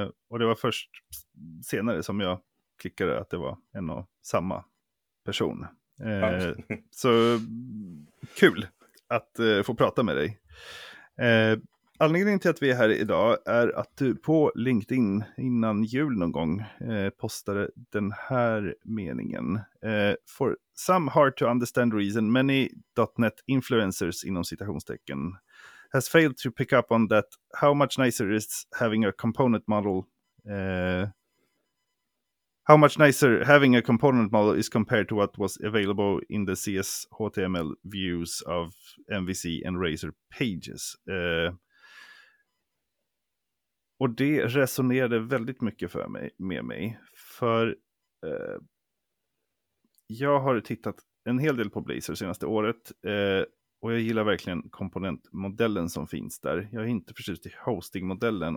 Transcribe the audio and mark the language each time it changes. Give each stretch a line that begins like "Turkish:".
Swedish: Och det var först senare som jag klickade att det var en och samma person. Så kul att få prata med dig. Anledningen till att vi är här idag är att du på LinkedIn innan jul någon gång postade den här meningen.
English: For some hard to understand reason, many .NET influencers
Swedish: inom citationstecken
English: has failed to pick up on that how much nicer is having a component model how much nicer having a component model is compared to what was available in the CS HTML views of MVC and Razor pages.
Swedish: Och det resonerade väldigt mycket för mig, med mig. För jag har tittat en hel del på Blazor senaste året. Och jag gillar verkligen komponentmodellen som finns där. Jag är inte förtjust i hostingmodellen.